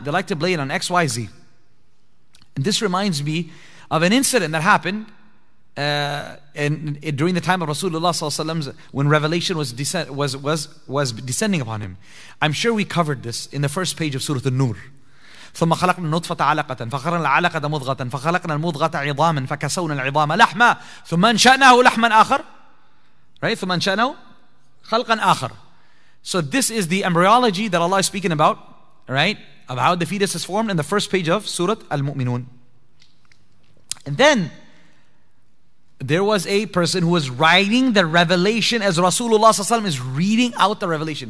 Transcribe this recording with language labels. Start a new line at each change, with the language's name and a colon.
English: They like to blame it on XYZ. And this reminds me of an incident that happened during the time of Rasulullah, when revelation was descending upon him. I'm sure we covered this in the first page of Surah An-Nur.
Arabic: ثم خلقنا النطفة علقة فخلقنا العلقة مضغة فخلقنا المضغة عظاما فكسونا العظام لحما ثم انشأناه لحما آخر. Right? ثم انشأناه خلقا آخر.
English: So this is the embryology that Allah is speaking about, right? Of how the fetus is formed in the first page of Surah Al-Mu'minun. And then there was a person who was writing the revelation as Rasulullah is reading out the revelation.